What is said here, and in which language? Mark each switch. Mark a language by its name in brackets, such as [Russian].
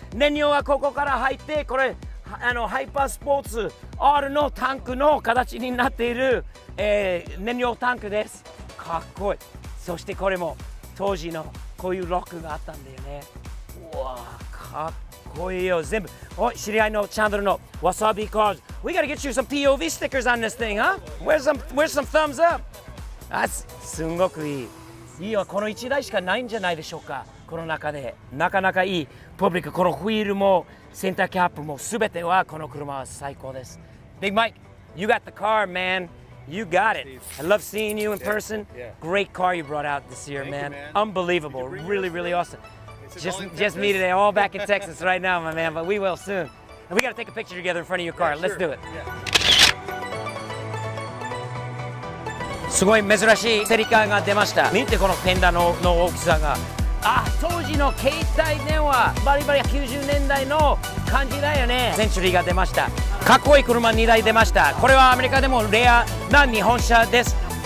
[Japanese] 燃料はここから入って、これハイパースポーツ R のタンクの形になっている、燃料タンクです。かっこいい。そしてこれも当時のこういうロックがあったんだよね。うわー、かっこいいよ、全部。おい、知り合いのチャンドルのワサビカーズ。 [English] We gotta get you some POV stickers on this thing, huh? Where's some thumbs up? [Japanese] すんごくいい。いいよ、この1台しかないんじゃないでしょうか。この中で。なかなかいい。パブリカ、このホイールもセンターキャップも全てはこの車は最高です。 [English] Big Mike, you got the car, man. You got it. I love seeing you in person. Yeah. Yeah. Great car you brought out this year, man. Thank you, man. Unbelievable. Really, really awesome. Just me today, all back in Texas right now, my man, but we will soon. And we gotta take a picture together in front of your car. Yeah, sure. Let's do it. [Japanese] すごい珍しいセリカが出ました。見てこのフェンダーの大きさが。あ、当時の携帯電話、バリバリ90年代の感じだよね。センチュリーが出ました。かっこいい車2台出ました。これはアメリカでもレアな日本車です。